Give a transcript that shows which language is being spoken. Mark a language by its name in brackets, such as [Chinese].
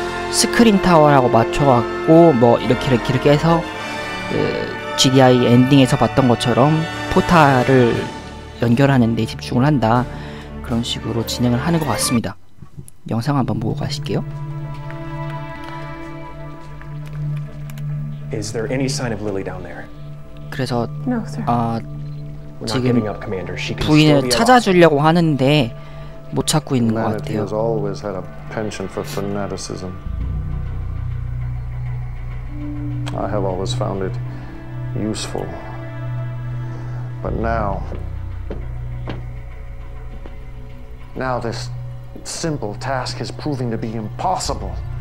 [Korean] 스크린 타워라고 맞춰왔고, 뭐 이렇게 해서 그 GDI 엔딩에서 봤던 것처럼 포탈을 연결하는 데 집중을 한다, 그런 식으로 진행을 하는 것 같습니다. 영상 한번 보고 가실게요. [English] Is there any sign of Lily down there? [Korean] 그래서 [English] no, sir. [Korean] 지금 부인을 찾아주려고 하는데 못 찾고 있는 것 같아요. [English] He has always had a penchant for fanaticism. I have always found it useful. But now this simple task is proving to be impossible.